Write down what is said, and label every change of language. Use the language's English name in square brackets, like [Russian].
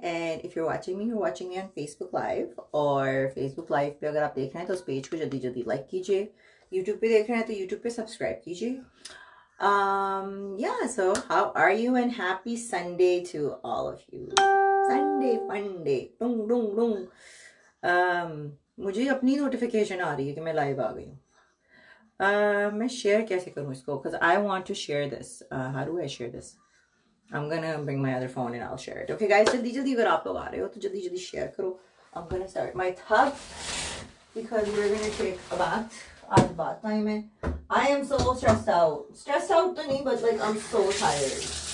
[English] And if you're watching me, you're watching me on Facebook Live. Or Facebook Live. If you're watching this page, please like it. If you're watching this page, YouTube, subscribe to YouTube. Yeah, so how are you? And happy Sunday to all of you. Sunday, fun day. Dung, dung, dung. [Hindi] मुझे अपनी notification आ रही है कि मैं live आ गई हूँ. मैं share कैसे करूँ इसको? [English] Because I want to share this. How do I share this? I'm gonna bring my other phone and I'll share it. Okay, guys, [Hindi] जल्दी जल्दी अगर आप लोग आ रहे हो तो जल्दी जल्दी शेयर करो. [English] I'm gonna start my tub because we're gonna take a bath. [Hindi] आज बात टाइम है. [English] I am so stressed out. Stressed out [Hindi] तो नहीं, [English] but like I'm so tired.